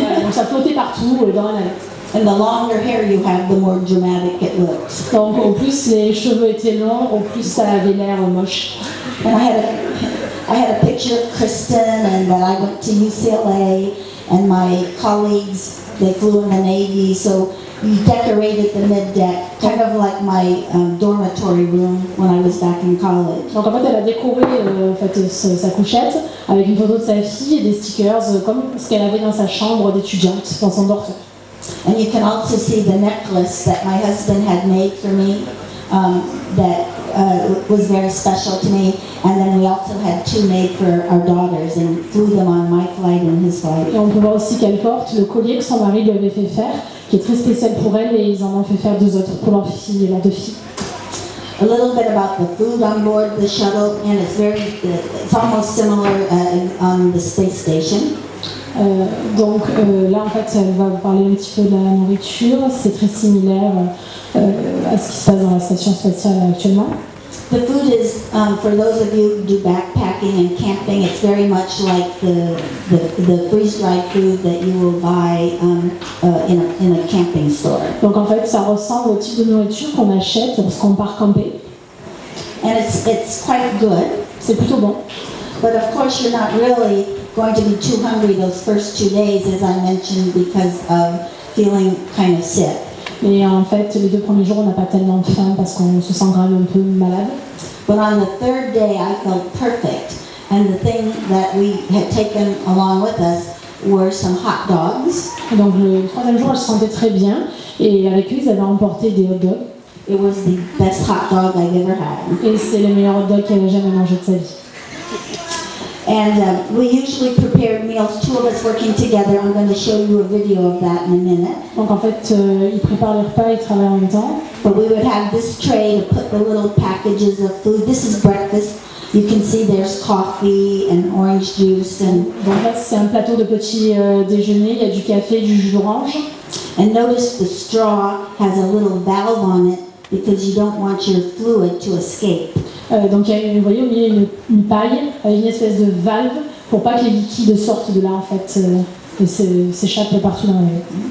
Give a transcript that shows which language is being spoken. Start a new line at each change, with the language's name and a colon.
French: Donc ça flottait partout dans la tête.
English: And the longer hair you have, the more dramatic it looks.
French: Donc au plus les cheveux étaient longs, au plus ça avait l'air moche.
English: I had a picture of Kristen, and I went to UCLA, and my colleagues, they flew in the Navy, so we decorated the mid deck, kind of like my dormitory room when I was back in college.
French: Donc en fait, elle a décoré sa couchette avec une photo de sa fille et des stickers comme ce qu'elle avait dans sa chambre d'étudiante dans son dortoir.
English: And you can also see the necklace that my husband had made for me, that was very special to me. And then we also had two made for our daughters and flew them on my flight and his flight.
French: Et on peut voir aussi qu'elle porte le collier que son mari lui avait fait faire, qui est très spécial pour elle, et ils en ont fait faire deux autres pour leur fille et leurs deux filles.
English: A little bit about the food on board the shuttle, and it's very, it's almost similar on the space station.
French: Là en fait, elle va vous parler un petit peu de la nourriture. C'est très similaire à ce qui se passe dans la station spatiale actuellement.
English: The food is for those of you who do backpacking and camping. It's very much like the freeze-dried food that you will buy in a camping store.
French: Donc en fait, ça ressemble au type de nourriture qu'on achète lorsqu'on part camper.
English: And it's quite good.
French: C'est plutôt bon.
English: But of course, you're not really going to be too hungry those first 2 days, as I mentioned, because of feeling kind of sick.
French: Mais en fait, les deux premiers jours, on n'a pas tellement faim parce qu'on se sent quand même un peu malade.
English: But on the third day, I felt perfect, and the thing that we had taken along with us were some hot dogs.
French: Et donc le troisième jour, je me sentais très bien, et avec eux, ils avaient emporté des hot dogs.
English: It was the best hot dog I've ever had.
French: Et c'est le meilleur hot dog qu'elle ait jamais mangé de sa vie.
English: And we usually prepare meals, two of us working together. I'm going to show you a video of that in a minute.
French: Donc en fait, ils préparent leur repas, ils travaillent en même temps.
English: But we would have this tray to put the little packages of food. This is breakfast. You can see there's coffee and orange juice.
French: Donc là, c'est un plateau de petit déjeuner. Il y a du café, du jus d'orange.
English: And notice the straw has a little valve on it because you don't want your fluid to escape.
French: Donc vous voyez, au milieu, une paille avec une espèce de valve pour pas que les liquides sortent de là, en fait, s'échappent partout dans la vie.